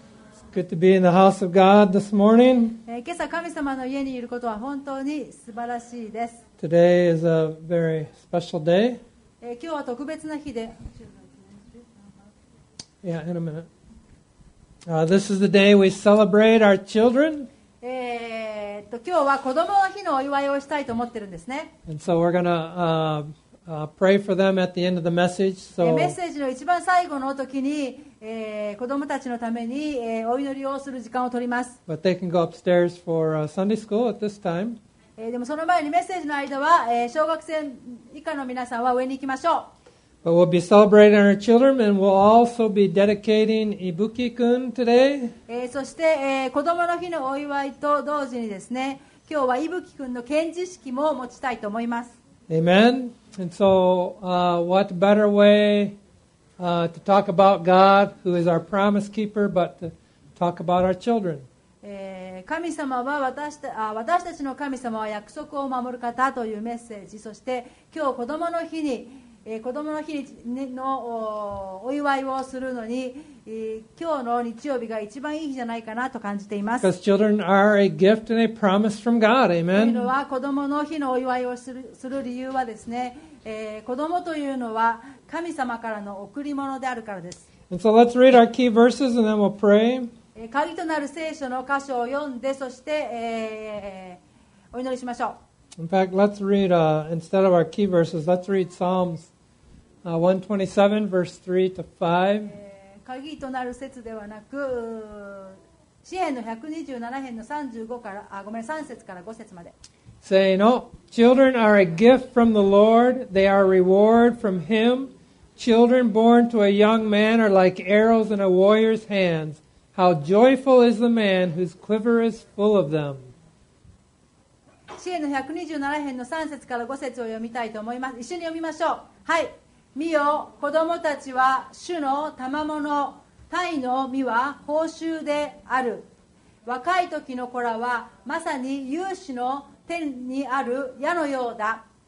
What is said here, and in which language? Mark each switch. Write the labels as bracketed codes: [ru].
[en] It's good to be in the house of God this morning. [ja] 今朝神様の家にいることは本当に素晴らしいです。 [en] Today is a very special day. [ja] 今日は特別な日で。 [en] Yeah, in a minute. This is the day we celebrate our children. [ja] 今日は子供の日のお祝いをしたいと思ってるんですね。 [en] And so we're gonna, pray for them at the end of the message. So, [ja] メッセージの一番最後の時に、子供たちのために、お祈りをする時間を取ります。 [en] But they can go upstairs for, Sunday school at this time. [ja] でもその前にメッセージの間は、小学生以下の皆さんは上に行きましょう。 [en] But we'll be celebrating our children and we'll also be dedicating Ibuki-kun today. [ja] そして、子供の日のお祝いと同時にですね、今日は Ibuki-kun の献辞式も持ちたいと思います。 [en] Amen. And so, what better way, to talk about God, who is our promise keeper, but to talk about our children. [ja] 神様は私たちの神様は約束を守る方というメッセージ、そして今日子供の日に、子供の日のお祝いをするのに、今日の日曜日が一番いい日じゃないかなと感じています。 [en] Because children are a gift and a promise from God, amen. [ja] というのは子供の日のお祝いをする理由はですね、子供というのは神様からの贈り物であるからです。 [en] And so let's read our key verses and then we'll pray. [ja] 鍵となる聖書の箇所を読んで、そして、お祈りしましょう。 [en] In fact, let's read, instead of our key verses, let's read Psalms 127, verse 3 to 5. [ja] 鍵となる節ではなく、詩篇の127編の35から、ごめん、3節から5節まで。 [en] Saying, oh, children are a gift from the Lord. They are a reward from Him. Children born to a young man are like arrows in a warrior's hands. How joyful is the man whose quiver is full of them. [ja] 詩篇の127編の3節から5節を読みたいと思います。一緒に読みましょう。はい。見よ、子供たちは主の賜物、タイの実は報酬である。若い時の子らはまさに勇士の天にある矢のようだ。